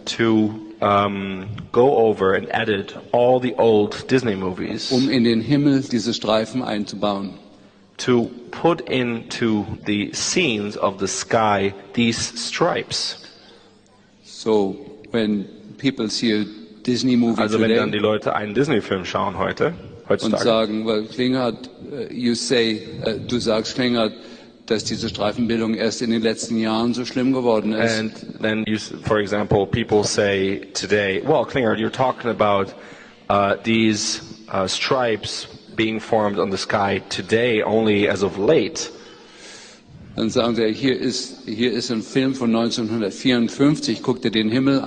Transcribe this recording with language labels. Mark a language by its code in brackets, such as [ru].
[en] To go over and edit all the old Disney movies. [de] Um in den Himmel diese Streifen einzubauen. [en] To put into the scenes of the sky these stripes. So when people see a Disney movie also today. [de] Also wenn dann die Leute einen Disney Film schauen heute. Und sagen, weil Klingert, du sagst Klingert, dass diese Streifenbildung erst in den letzten Jahren so schlimm geworden ist. [en] And then, for example, people say today, well, Klingert, you're talking about these stripes being formed on the sky today, only as of late. [de] Dann sagen sie, hier ist ein Film von 1954, guck dir den Himmel an.